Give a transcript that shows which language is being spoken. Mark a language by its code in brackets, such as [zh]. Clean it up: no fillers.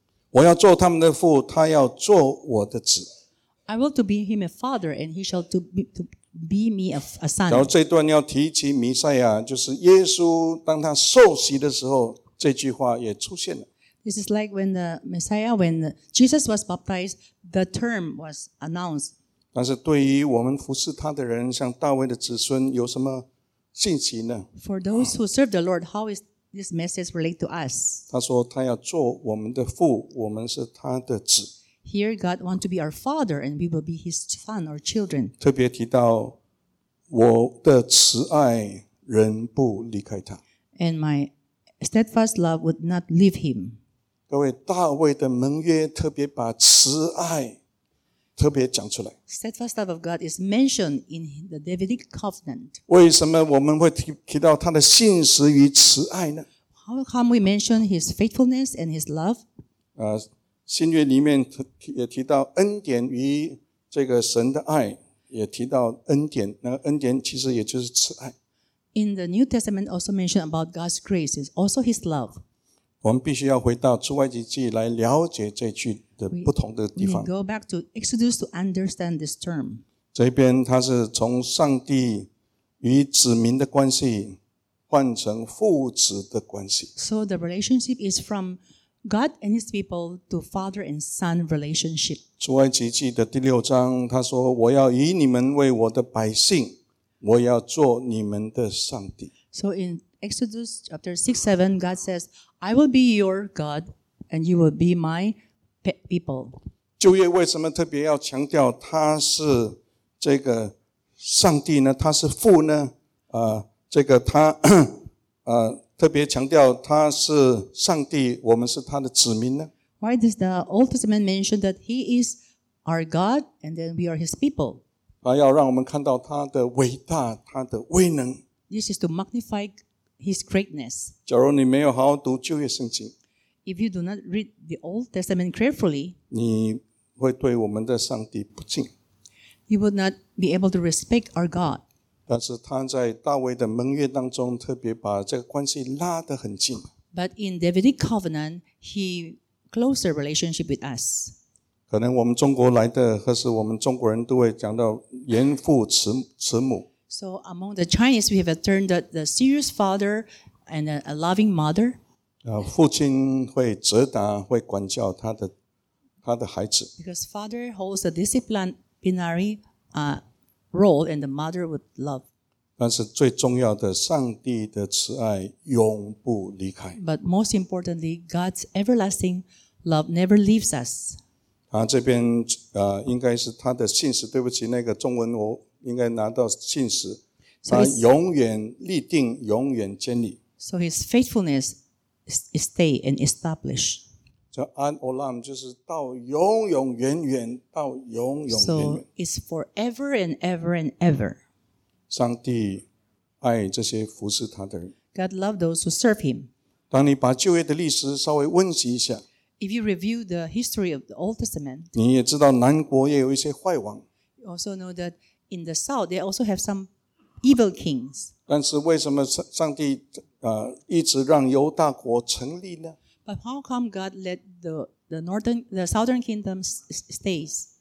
[zh] 我要做他们的父，他要做我的子。 [en] I will to be him a father, and he shall to be me a son. [zh] 然后这段要提起弥赛亚，就是耶稣当他受洗的时候，这句话也出现了。 [en] This is like when the Messiah, when Jesus was baptized, the term was announced. [zh] 但是对于我们服侍他的人，像大卫的子孙，有什么信息呢？ [en] For those who serve the Lord, how is this message related to us? [zh] 他说他要做我们的父，我们是他的子。 [en] Here God wants to be our father and we will be his son or children. [zh] 特别提到我的慈爱仍不离开他。 [en] And my steadfast love would not leave him. [zh] 各位，大卫的盟约特别把慈爱特别讲出来。 [en] Steadfast love of God is mentioned in the Davidic covenant. [zh] 为什么我们会提到他的信实与慈爱呢？ [en] How come we mention his faithfulness and his love? [zh] 新约里面也提到恩典与这个神的爱，也提到恩典，那个恩典其实也就是慈爱。 [en] In the New Testament also mentioned about God's grace, it's also His love. [zh] 我们必须要回到出埃及记来了解这句的不同的地方。 [en] We go back to Exodus to understand this term. [zh] 这边它是从上帝与子民的关系换成父子的关系。 [en] So the relationship is from God and His people to father and son relationship. [zh] 出埃及记的第六章，他说：“我要以你们为我的百姓，我要做你们的上帝。” [en] So in Exodus chapter 6-7, God says, "I will be your God, and you will be my people." [zh] 旧约为什么特别要强调他是这个上帝呢？他是父呢？这个他特别强调他是上帝，我们是他的子民呢？ [en] Why does the Old Testament mention that He is our God and then we are His people? [zh] 他要让我们看到他的伟大，他的威能。 [en] This is to magnify His greatness. [zh] 假如你没有好好读旧约圣经， [en] If you do not read the Old Testament carefully, [zh] 你会对我们的上帝不敬。 [en] You would not be able to respect our God. [zh] 但是他在大卫的盟约当中特别把这个关系拉得很近。 [en] But in Davidic covenant, he closed a relationship with us. [zh] 可能我们中国来的或是我们中国人都会讲到严父慈母。 [en] So among the Chinese, we have a term that the serious father and a loving mother. [zh] 父亲会责打会管教他的孩子。 [en] Because father holds a disciplinary role and the mother would love. [zh] 但是最重要的，上帝的慈爱永不离开。 [en] But most importantly, God's everlasting love never leaves us. [zh] 啊，这边应该是他的信实。对不起，那个中文我应该拿到信实。他永远立定，永远坚立。 [en] So his faithfulness is stay and establish. [zh] 叫安欧拉姆，就是到永永远远，到永永远远。 [en] So it's forever and ever and ever. [zh] 上帝爱这些服侍他的人。 [en] God loves those who serve Him. [zh] 当你把旧约的历史稍微温习一下 [en] ，If you review the history of the Old Testament, [zh] 你也知道南国也有一些坏王。 [en] You also know that in the south they also have some evil kings. [zh] 但是为什么上帝一直让犹大国成立呢？ [en] But how come God let the southern kingdom stays?